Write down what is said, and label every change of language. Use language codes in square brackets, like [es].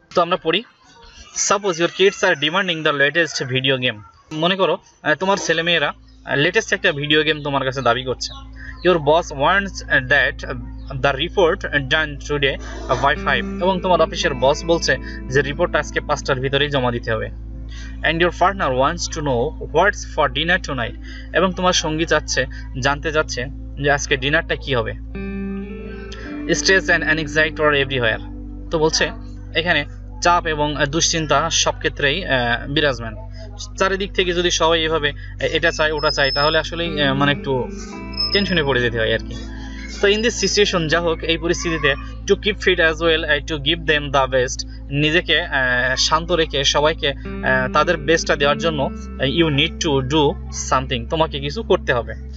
[bn] তো আমরা পড়ি, [en] suppose your kids are demanding the latest video game, [bn] মনে করো তোমার ছেলে মেয়েরা লেটেস্ট একটা ভিডিও গেম তোমার কাছে দাবি করছে। [en] your boss wants that the report done today by five, [bn] এবং তোমার অফিসের বস বলছে যে রিপোর্ট আজকে পাঁচটার ভিতরেই জমা দিতে হবে। [en] And your partner wants to know what's for dinner tonight. [bn] এবং তোমার সঙ্গী চাচ্ছে, জানতে যাচ্ছে যে আজকে ডিনারটা কি হবে। [en] Stress and anxiety are everywhere. [bn] তো বলছে এখানে চাপ এবং দুশ্চিন্তা সব ক্ষেত্রেই বিরাজমান। চারিদিক থেকে যদি সবাই এভাবে এটা চাই ওটা চাই তাহলে আসলেই মানে একটু টেনশনে পড়ে যেতে হয় আর কি। তো [en] in this situation, [bn] যা হোক এই পরিস্থিতিতে, [en] to keep fit as well to give them the best, [bn] নিজেকে শান্ত রেখে সবাইকে তাদের বেস্টটা দেওয়ার জন্য [en] you need to do something, [bn] তোমাকে কিছু করতে হবে।